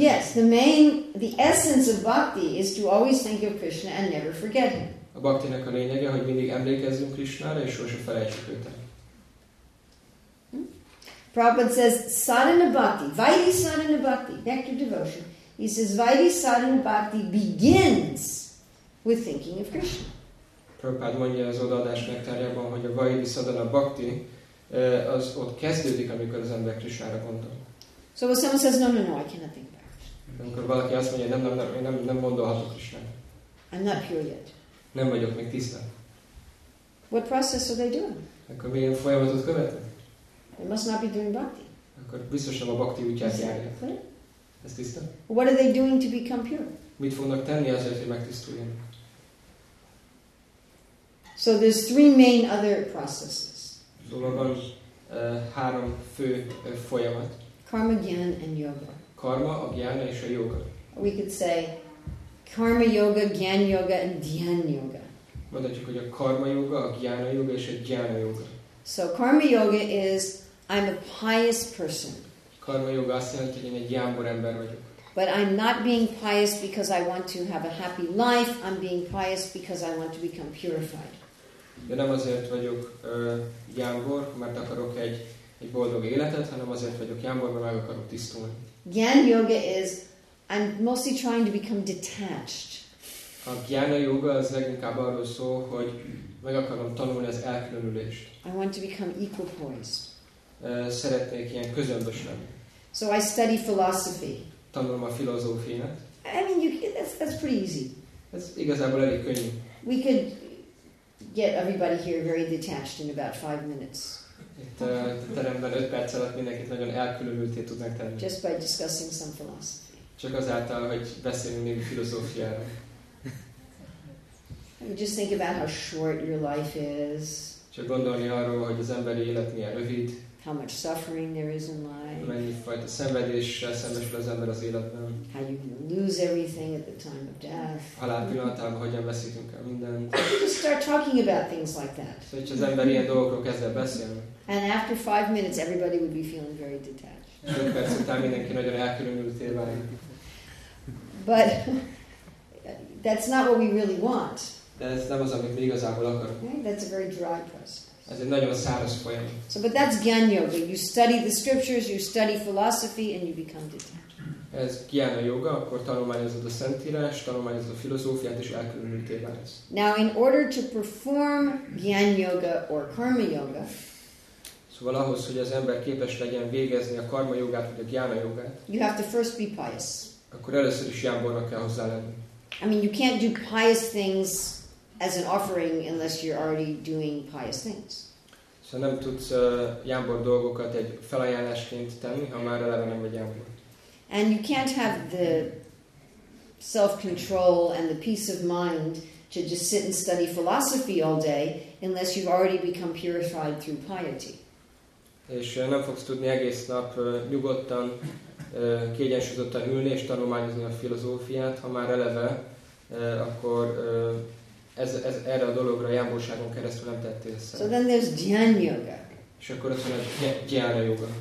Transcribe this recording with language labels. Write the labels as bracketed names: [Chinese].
[English] Yes, the essence of bhakti is to always think of Krishna and never forget him. [Hungarian] A bhaktinak a lényege, hogy mindig emlékezzünk Krishnára, és sose felejtsük őt. [English] Prabhupada says, sadhana bhakti, vaidhi sadhana bhakti, nectar devotion. He says, vaidhi sadhana bhakti begins with thinking of Krishna. [Hungarian] Prabhupada mondja az odaadás nektárjában, hogy a vaidhi sadhana bhakti az ott kezdődik, amikor az ember Krishnára gondol. [English] So when someone says, no, I cannot think about Krishna. [Hungarian] Amikor valaki azt mondja, nem gondolhatok Krishnára. [English] I'm not pure yet. [Hungarian] Nem vagyok még tiszta. [English] What process are they doing? [Hungarian] Akkor milyen folyamatot követnek? [English] They must not be doing bhakti. [Hungarian] Akkor biztos nem a bhakti útját járják. Ez tiszta? [English] What are they doing to become pure? [Hungarian] Mit fognak tenni azért, hogy megtisztuljanak? [English] So there's three main other processes. [Hungarian] Szóval három fő folyamat. [English] Karma, gyan and yoga. [Hungarian] Karma, a gyan és a yoga. [English] We could say karma yoga, gyan yoga and dhyan yoga. [Hungarian] Mondhatjuk, hogy a karma yoga, a gyan yoga és a dhyan yoga. [English] So karma yoga is I'm a pious person. [Hungarian] Karma yoga azt jelenti, hogy én egy gyámbor ember vagyok. [English] But I'm not being pious because I want to have a happy life. I'm being pious because I want to become purified. [Hungarian] De nem azért vagyok gyámbor, mert akarok egy boldog életet, hanem azért vagyok gyámbor, mert meg akarok tisztulni. [English] Gyan yoga is, I'm mostly trying to become detached. [Hungarian] A gyana yoga az leginkább arról szó, hogy meg akarom tanulni az elkülönülést. [English] I want to become equipoised. [Hungarian] Szeretnék ilyen közömbös lenni. [English] So I study philosophy. [Hungarian] Tanulom a filozófiát. [English] I mean, that's pretty easy. [Hungarian] Ez igazából elég könnyű. [English] We could get everybody here very detached in about 5 minutes. [Hungarian] Itt teremben 5 perc alatt mindenkit nagyon elkülönülté tudnánk tenni. [English] Just by discussing some philosophy. [Hungarian] Csak azáltal, hogy beszélünk még filozófiáról. [English] Just think about how short your life is. [Hungarian] Csak gondolni arról, hogy az emberi élet milyen rövid. [English] How much suffering there is in life. [Hungarian] Mennyi fajta szenvedéssel szembesül az ember az életben. [English] How you lose everything at the time of death. [Hungarian] Halál pillanatában hogyan veszítünk el mindent. [English] Just start talking about things like that. [Hungarian] Hogy az ember ilyen dolgokról kezdve beszélni. [English] And after 5 minutes, everybody would be feeling very detached. [Hungarian] 5 perc után mindenki nagyon elkülönült érvány. [English] But that's not what we really want. [Hungarian] De ez nem az, amit mi igazából akarunk. [English] Okay? That's a very dry process. [Hungarian] Ez egy nagyon száraz folyamat. [English] So, but that's Gyan Yoga. You study the scriptures, you study philosophy, and you become detached. [Hungarian] Ez Gyan Yoga, akkor tanulmányozod a Szentírást, tanulmányozod a filozófiát, és elkülönülté válsz. [English] Now, in order to perform Gyan Yoga or Karma Yoga, [Hungarian] szóval ahhoz, hogy az ember képes legyen végezni a Karma Yogát, vagy a Gyan Yogát, [English] you have to first be pious. [Hungarian] Akkor először is jámbornak kell hozzá lenni. [English] I mean, you can't do pious things as an offering unless you're already doing pious things. [Hungarian] So nem tudsz jámbor dolgokat egy felajánlásként tenni, ha már eleve nem vagy jámbor. [English] And you can't have the self-control and the peace of mind to just sit and study philosophy all day unless you've already become purified through piety. [Hungarian] És nem fogsz tudni egész nap nyugodtan, kiegyensúlyozottan ülni és tanulmányozni a filozófiát, ha már eleve, akkor ez erre a dologra jámborságon keresztül nem tettél szert. [English] So then there's Dhyan Yoga. [Hungarian] És akkor azt mondja, Dhyana Yoga.